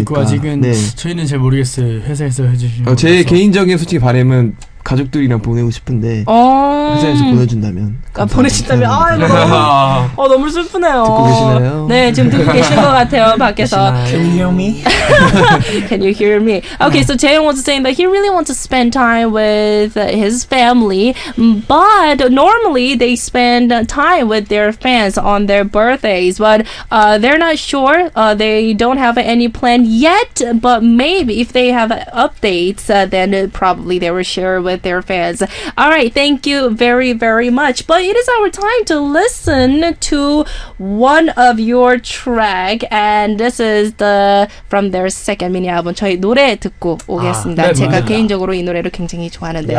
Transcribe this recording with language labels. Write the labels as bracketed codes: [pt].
[ko] 있고 아직은 네. 저희는 잘 모르겠어요. 회사에서 해주시면. 제 개인적인 솔직히 바람은 가족들이랑 보내고 싶은데 회사에서 보내준다면 보내준다면 아 너무 너무 슬프네요. 듣고 계시나요? 네, 지금 듣고 계신 것 같아요 밖에서. [en] Can you hear me? Can you hear me? Okay, so Jaehyung was saying that he really wants to spend time with his family, but normally they spend time with their fans on their birthdays, but they're not sure. They don't have any plan yet, but maybe if they have updates, then probably they will share with their fans. All right, thank you very, very much. But it is our time to listen to one of your track, and this is the from their second mini album. [ko] 저희 노래 듣고 오겠습니다. 네, 제가 맞아요. 개인적으로 이 노래를 굉장히 좋아하는데요.